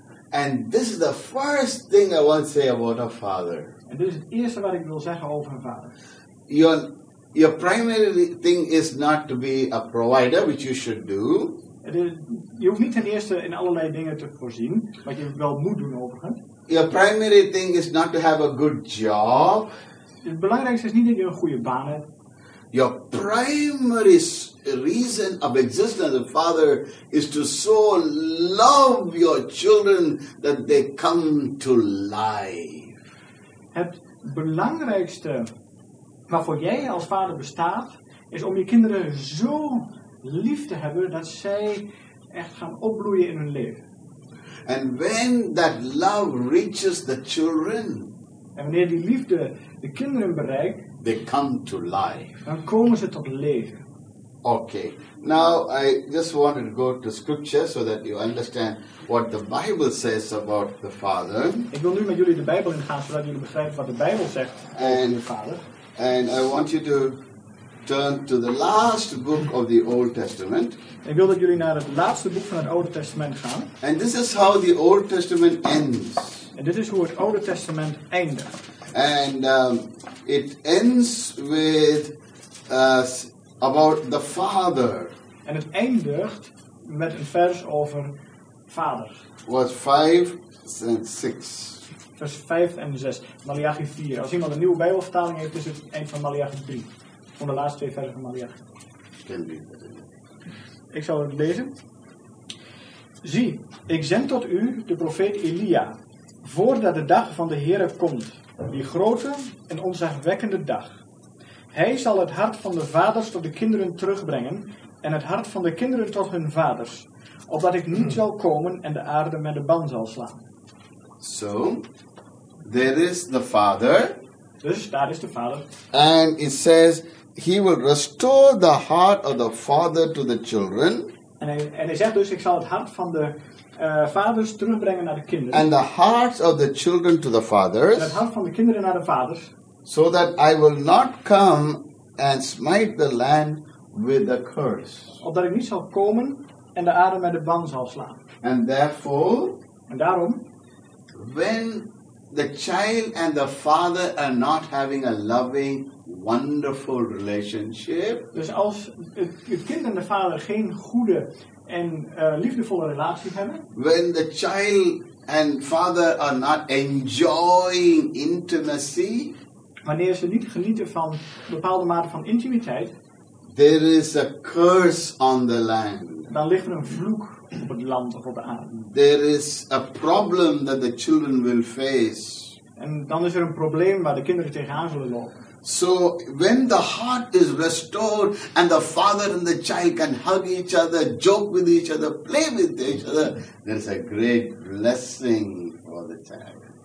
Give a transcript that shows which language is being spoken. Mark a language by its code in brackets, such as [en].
[en] And this is the first thing I want to say about a father. [nl] En dit is het eerste wat ik wil zeggen over een vader. [en] Your primary thing is not to be a provider, which you should do. [nl] Je hoeft niet ten eerste in allerlei dingen te voorzien, wat je wel moet doen overigens. [en] Your primary thing is not to have a good job. [nl] Het belangrijkste is niet dat je een goede baan hebt. [en] Your primary reason of existence as a father is to so love your children that they come to life. [nl] Het belangrijkste waarvoor jij als vader bestaat is om je kinderen zo lief te hebben dat zij echt gaan opbloeien in hun leven. [en] And when that love reaches the children, [nl] en wanneer die liefde de kinderen bereikt, [en] they come to life. [nl] Dan komen ze tot leven. [en] Okay. Now I just wanted to go to scripture so that you understand what the Bible says about the Father. [nl] Ik wil nu met jullie de Bijbel ingaan zodat jullie begrijpen wat de Bijbel zegt over de Vader. [en] And I want you to turn to the last book of the Old Testament. [nl] Ik wil dat jullie naar het laatste boek van het Oude Testament gaan. [en] And this is how the Old Testament ends. [nl] En dit is hoe het Oude Testament eindigt. [en] And it ends with about the Father. [nl] En het eindigt met een vers over Vader. [en] Was 5 and 6. [nl] Vers 5 en 6. Malachi 4. Als iemand een nieuwe Bijbelvertaling heeft, is het eind van Malachi 3. Van de laatste twee versen van Malachi. Ik zal het lezen. Zie, ik zend tot u de profeet Elia, voordat de dag van de Heere komt. Die grote en onzagwekkende dag. Hij zal het hart van de vaders tot de kinderen terugbrengen en het hart van de kinderen tot hun vaders, opdat ik niet zal komen en de aarde met de ban zal slaan. [en] So, there is the Father. [nl] Dus daar is de Vader. [en] And it says, he will restore the heart of the father to the children. [nl] En hij zegt dus, ik zal het hart van de vaders terugbrengen naar de kinderen. [en] And the hearts of the children to the fathers. [nl] En het hart van de kinderen naar de vaders. [en] So that I will not come and smite the land with a curse. [nl] Opdat ik niet zal komen en de aarde met de ban zal slaan. [en] And therefore. [nl] En daarom. [en] When the child and the father are not having a loving, wonderful relationship. [nl] Dus als het kind en de vader geen goede en liefdevolle relatie hebben. [en] When the child and father are not enjoying intimacy. [nl] Wanneer ze niet genieten van bepaalde mate van intimiteit. [en] There is a curse on the land. [nl] Dan ligt er een vloek op het land of op de aarde. [en] There is a problem that the children will face. [nl] En dan is er een probleem waar de kinderen tegenaan zullen lopen. [en] So when the heart is restored and the father and the child can hug each other, joke with each other, play with each other, there's a great blessing for the child.